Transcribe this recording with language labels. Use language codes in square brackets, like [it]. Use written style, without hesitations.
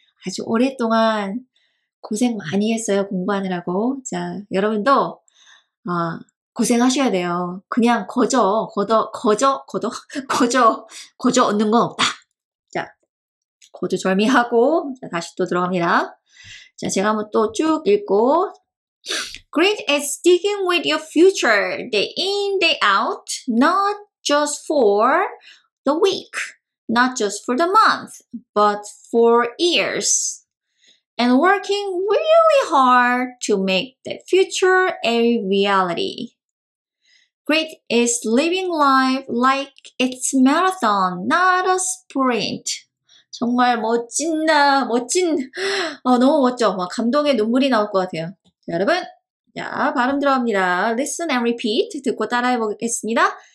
[ko] 아주 오랫동안 고생 많이 했어요, 공부하느라고. 자, 여러분도 고생하셔야 돼요. 그냥 거저 얻는 건 없다. 고두절미하고 다시 또 들어갑니다. 자, 제가 한번 또 쭉 읽고 [en] Great is sticking with your future day in, day out, not just for the week, not just for the month, but for years, and working really hard to make the future a reality. Great is living life like it's marathon, not a sprint. [ko] 정말 멋진다, 멋진, 너무 멋져. 막 감동의 눈물이 나올 것 같아요. 자, 여러분, 자, 발음 들어갑니다. [en] Listen and repeat. [ko] 듣고 따라해 보겠습니다.